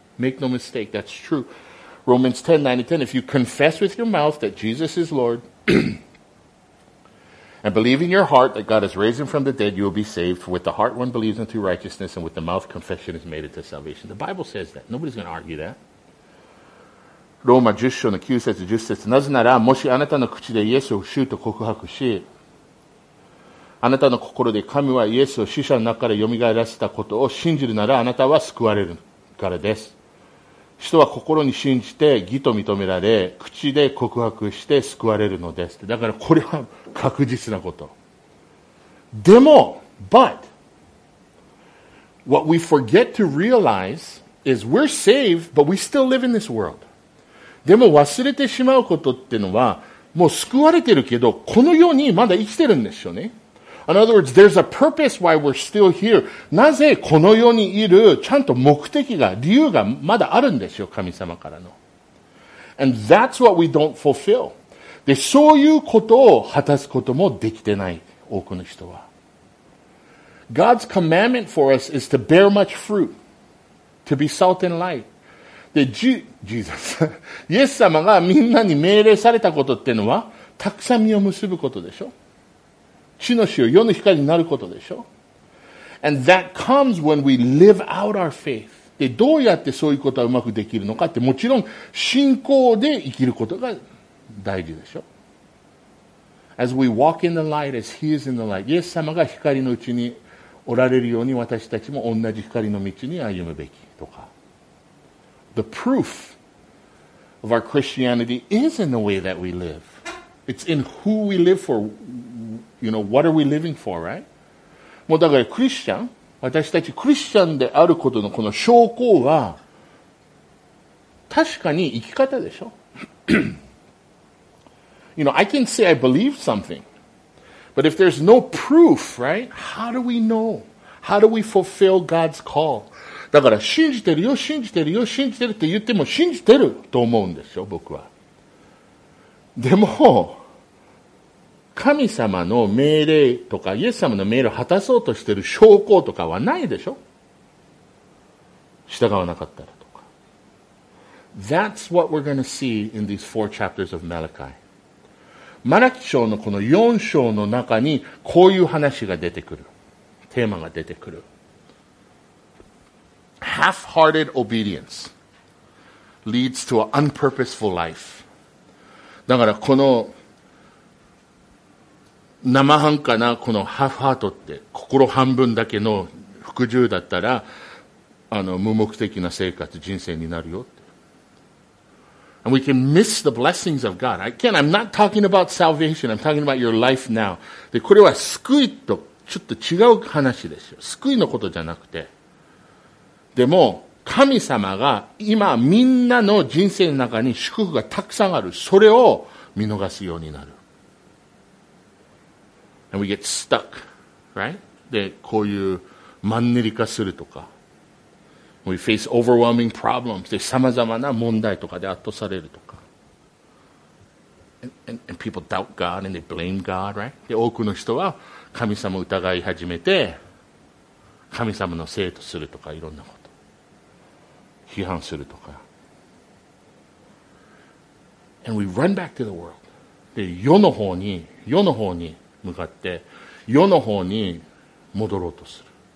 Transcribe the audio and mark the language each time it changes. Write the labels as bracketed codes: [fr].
[en] Make no mistake, that's true. Romans 10, 9 and 10, if you confess with your mouth that Jesus is Lord, and believe in your heart that God has raised him from the dead, you will be saved. For with the heart one believes unto righteousness, and with the mouth confession is made unto salvation. The Bible says that. Nobody's going to argue that. [ja] ローマ10章の9節10節、なぜならもしあなたの口でイエスを主と告白し、あなたの心で神はイエスを死者の中から蘇らせたことを信じるならあなたは救われるからです。人は心に信じて義と認められ、口で告白して救われるのです。だからこれは確実なこと。 [en] でも、but, what we forget to realize is we're saved, but we still live in this world. [ja] でも忘れてしまうことっていうのは、もう救われてるけど、この世にまだ生きてるんですよね。 [en] In other words, there's a purpose why we're still here. [ja] なぜこの世にいるちゃんと目的が、理由がまだあるんですよ、神様からの。 [en] And that's what we don't fulfill. [ja] で、そういうことを果たすこともできてない、多くの人は。 [en] God's commandment for us is to bear much fruit, to be salt and light. [ja] で、Jesus、イエス様がみんなに命令されたことっていうのは、たくさん実を結ぶことでしょ。地の塩、世の光になることでしょ。 [en] And that comes when we live out our faith. [ja] で、どうやってそういうことはうまくできるのかって、もちろん信仰で生きることが大事でしょ。 [en] As we walk in the light, as He is in the light. [ja] イエス様が光のうちにおられるように私たちも同じ光の道に歩むべきとか。 [en] The proof of our Christianity is in the way that we live. It's in who we live for. You know, what are we living for, right? [ja] もうだからクリスチャン、私たちクリスチャンであることのこの証拠は、確かに生き方でしょ。 [en] You know, I can say I believe something. But if there's no proof, right? How do we know? How do we fulfill God's call? [ja] だから信じてるよ、信じてるよ、信じてるって言っても信じてると思うんですよ、僕は。でも、神様の命令とか、イエス様の命令を果たそうとしている証拠とかはないでしょ？従わなかったらとか。 [en] That's what we're going to see in these four chapters of Malachi. [ja] マラキ書のこの4章の中に、こういう話が出てくる。テーマが出てくる。 [en] Half-hearted obedience leads to an unpurposeful life. [ja] だからこの、生半可なこのハーフハートって心半分だけの服従だったら無目的な生活人生になるよって。 [en] And we can miss the blessings of God. Again, I'm not talking about salvation. I'm talking about your life now. [ja] で、これは救いとちょっと違う話ですよ。救いのことじゃなくて。でも、神様が今みんなの人生の中に祝福がたくさんある。それを見逃すようになる。 [en] And we get stuck, right? [ja] で、こういうマンネリ化するとか。 [en] We face overwhelming problems. [ja] で、様々な問題とかで圧倒されるとか。 [en] And people doubt God and they blame God, right? [ja] で、多くの人は神様を疑い始めて、神様のせいとするとか、いろんなこと。批判するとか。 [en] And we run back to the world. [ja] で、世の方に、向かって世の方に戻ろうとする。